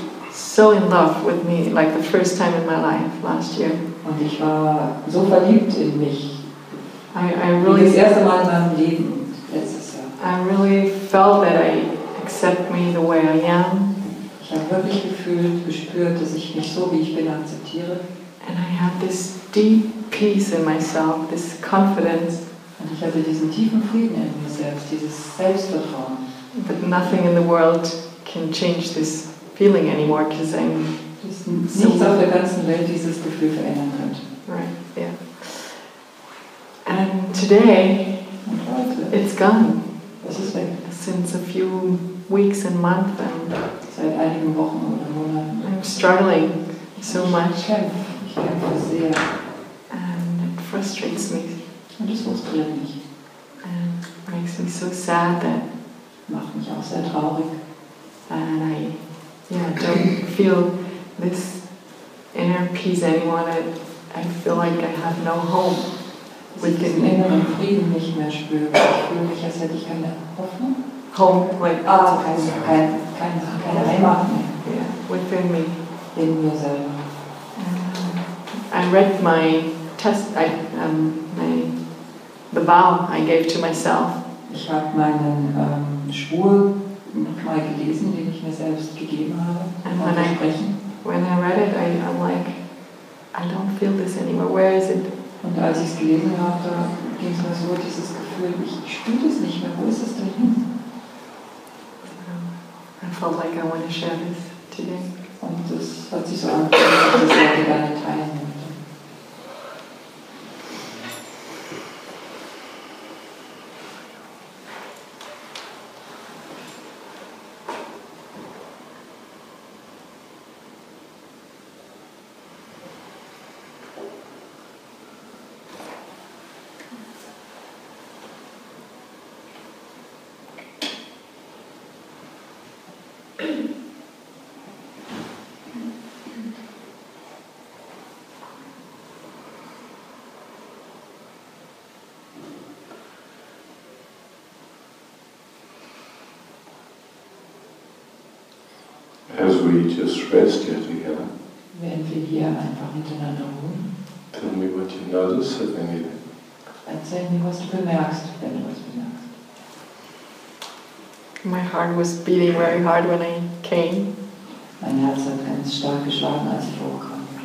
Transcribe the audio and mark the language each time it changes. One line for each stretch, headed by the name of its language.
English: So in love with me, like the first time in my life last year.
German: Und ich war so verliebt in mich.
English: I really,
German: das erste Mal in meinem Leben letztes Jahr.
English: I really felt that I accept me the way I am.
German: Ich habe wirklich gefühlt, gespürt, dass ich mich so wie ich bin akzeptiere.
English: And I had this deep peace in myself, this confidence.
German: Und ich hatte diesen tiefen Frieden in mir selbst, dieses Selbstvertrauen.
English: But nothing in the world can change this feeling anymore, because I'm
German: nichts auf der ganzen Welt dieses Gefühl verändern kann.
English: Right, yeah. And today, it's gone.
German: Das ist weg.
English: Since a few weeks and months, and
German: seit einigen Wochen oder Monaten.
English: I'm struggling so much.
German: Ich kämpfe sehr.
English: And it frustrates me.
German: Und das frustriert mich.
English: And it makes me so sad that.
German: Macht mich auch sehr traurig.
English: And I. Yeah, I don't feel this inner peace anymore. I feel like I have no home.
German: Ich kann diesen inneren Frieden nicht mehr spüren. Ich fühle mich, als hätte ich keine Hoffnung.
English: Home, like,
German: ah, keine Heimat mehr.
English: Yeah, within me.
German: In mir selber.
English: I read my test, the vow I gave to myself.
German: Ich habe meinen Schwur nochmal gelesen, den ich mir selbst gegeben habe.
English: And when I read it, I'm like, I don't feel this anymore. Where is it?
German: Und als ich es gelesen habe, da ging es mir so, dieses Gefühl, ich spüre das nicht mehr. Wo ist es denn hin?
English: I felt like I want to share this today.
German: Und das hat sich so angefühlt, dass ich das gerne teilen möchte.
English: As we just rest here together,
German: wenn wir hier einfach miteinander ruhen,
English: tell me what you notice if anything.
German: Erzähl mir, was du bemerkst, wenn du was bemerkst.
English: My heart was beating very hard when I came.
German: Mein Herz hat ganz stark geschlagen, als ich vorkam.